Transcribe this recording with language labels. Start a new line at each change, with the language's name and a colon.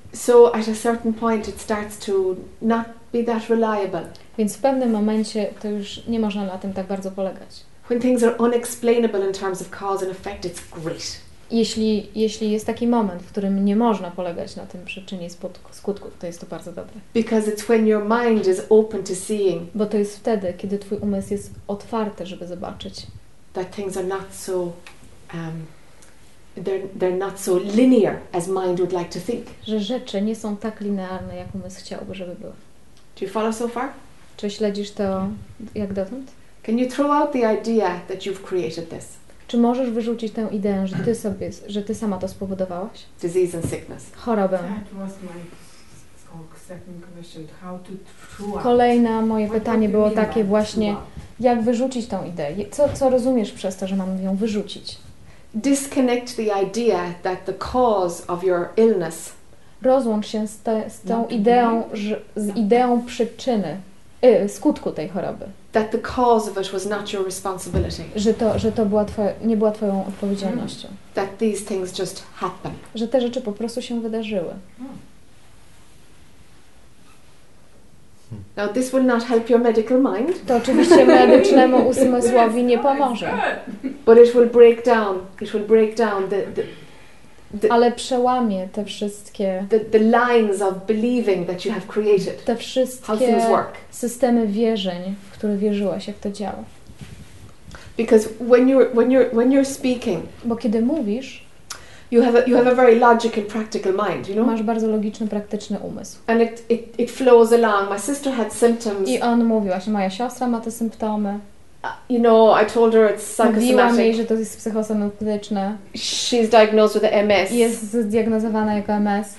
English: So at a certain point it starts to not be that reliable.
Polish: Więc w pewnym momencie to już nie można na tym tak bardzo polegać.
English: When things are unexplainable in terms of cause and effect, it's great.
Polish: Jeśli jest taki moment, w którym nie można polegać na tym przyczynie skutku, to jest to bardzo dobre.
English: Because it's when your mind is open to seeing.
Polish: Bo to jest wtedy, kiedy twój umysł jest otwarty, żeby zobaczyć.
English: That things are not so they're not so linear as mind would like to think.
Polish: Że rzeczy nie są tak linearne, jak umysł chciałby, żeby były.
English: Do you follow so far?
Polish: Czy śledzisz to jak dotąd?
English: Can you throw out the idea that you've created this?
Polish: Czy możesz wyrzucić tę ideę, że ty sobie, że ty sama to spowodowałaś?
English: Disease and sickness.
Polish: Chorobę.
English: That was my second question. How to throw out?
Polish: Kolejne moje pytanie było takie właśnie, jak wyrzucić tę ideę? Co rozumiesz przez to, że mam ją wyrzucić?
English: Disconnect the idea that the cause of your illness.
Polish: Rozłącz się z ideą przyczyny, skutku tej choroby.
English: That the cause of it was not your responsibility.
Polish: Że to nie była twoją odpowiedzialnością.
English: That these things just happen.
Polish: Że te rzeczy po prostu się wydarzyły.
English: Now this will not help your medical mind.
Polish: To oczywiście medycznemu umysłowi nie pomoże.
English: But it will break down the
Polish: ale przełamie te wszystkie
English: the lines of believing that you have created.
Polish: Te wszystkie systemy wierzeń, w które wierzyłaś, jak to działa.
English: Because when you're speaking,
Polish: bo kiedy mówisz,
English: you have a very logical practical mind, you know?
Polish: Masz bardzo logiczny, praktyczny umysł.
English: And it flows along. My sister had symptoms.
Polish: I on mówił, właśnie moja siostra ma te symptomy.
English: You know, I told her it's psychosomatic.
Polish: Mówiłam jej, że to jest psychosomatyczne.
English: She's diagnosed with MS.
Polish: Jest zdiagnozowana jako MS.